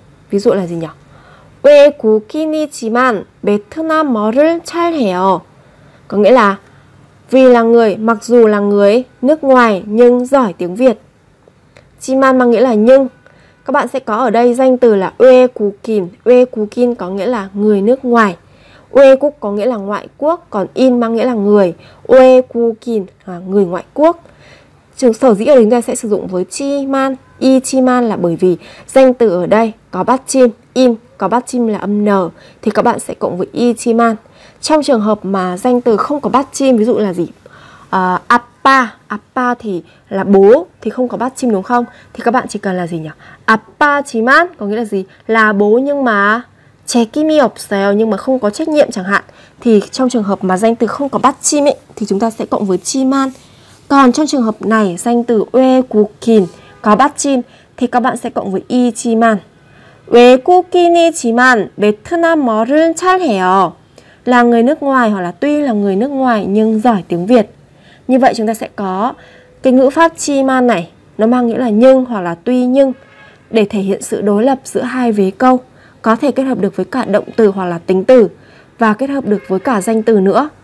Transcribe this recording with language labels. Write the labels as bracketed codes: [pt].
[vi] Ví dụ là gì nhỉ? [ko] 외국인이지만 베트남어를 잘해요. [vi] Có nghĩa là vì là người, mặc dù là người nước ngoài nhưng giỏi tiếng Việt. 지만 mang nghĩa là nhưng. Các bạn sẽ có ở đây danh từ là 외국인. 외국인 có nghĩa là người nước ngoài. 외국 có nghĩa là ngoại quốc, còn in mang nghĩa là người. 외국인 là người ngoại quốc. Trường sở dĩ ở đây chúng ta sẽ sử dụng với 지만, y 지만 là bởi vì danh từ ở đây có bát chim, in có bát chim là âm n, thì các bạn sẽ cộng với y 지만. Trong trường hợp mà danh từ không có bát chim, ví dụ là gì? 아빠, 아빠 thì là bố thì không có bát chim đúng không? Thì các bạn chỉ cần là gì nhỉ? 아빠지만 có nghĩa là gì? Là bố nhưng mà [ko] 책임이 없어요, [vi] nhưng mà không có trách nhiệm chẳng hạn. Thì trong trường hợp mà danh từ không có bát chim ấy thì chúng ta sẽ cộng với 지만. Còn trong trường hợp này danh từ 외국인 có bát chim thì các bạn sẽ cộng với 이지만. [ko] 외국인이지만 베트남어를 잘해요. [vi] Là người nước ngoài hoặc là tuy là người nước ngoài nhưng giỏi tiếng Việt. Như vậy chúng ta sẽ có cái ngữ pháp 지만 này, nó mang nghĩa là nhưng hoặc là tuy nhưng, để thể hiện sự đối lập giữa hai vế câu. Có thể kết hợp được với cả động từ hoặc là tính từ, và kết hợp được với cả danh từ nữa.